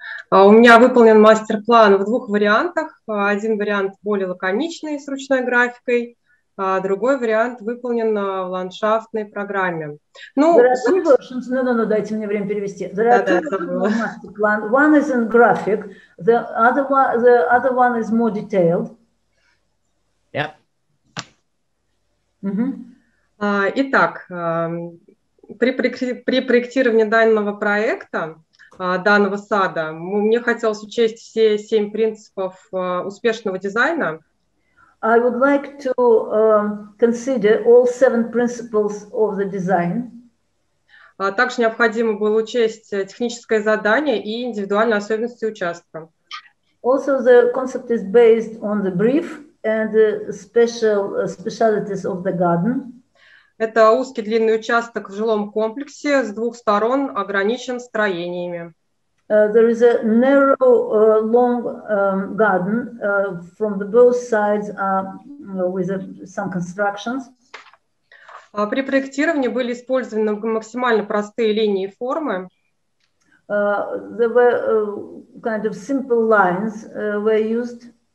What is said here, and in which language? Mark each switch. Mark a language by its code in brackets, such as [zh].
[ru] У меня выполнен мастер-план в двух вариантах. Один вариант более лаконичный, с ручной графикой, а другой вариант выполнен в ландшафтной программе. Ну, дайте мне время перевести. [en] There are two masterplan. One is in graphic, the other one is more detailed. Yep. [ru] Итак, при проектировании данного проекта, данного сада, мне хотелось учесть все 7 принципов успешного дизайна. [en] I would like to consider all 7 principles of the design. [ru] Также необходимо было учесть техническое задание и индивидуальные особенности участка. [en] Also the concept is based on the brief and the specialities of the garden. [ru] Это узкий длинный участок в жилом комплексе, с двух сторон ограничен строениями. [en] There is a narrow, long garden from the both sides with some constructions. [ru] При проектировании были использованы максимально простые линии и формы. [en] There were kind of simple lines were used.